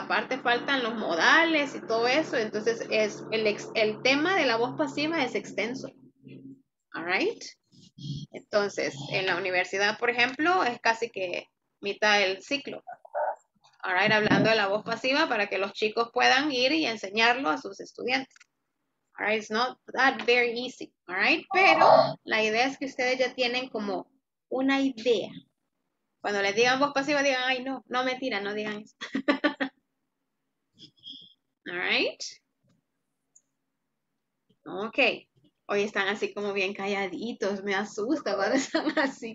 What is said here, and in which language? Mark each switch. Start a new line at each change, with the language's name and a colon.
Spanish: Aparte faltan los modales y todo eso. Entonces es el tema de la voz pasiva es extenso. All right. Entonces, en la universidad, por ejemplo, es casi que mitad del ciclo. All right, hablando de la voz pasiva para que los chicos puedan ir y enseñarlo a sus estudiantes.
English: All right, it's not that very easy, all right?
Spanish: Pero la idea es que ustedes ya tienen como una idea. Cuando les digan voz pasiva, digan, ay, no, mentira, no digan eso.
English: All right?
Spanish: Okay. Hoy están así como bien calladitos, me asusta cuando están así.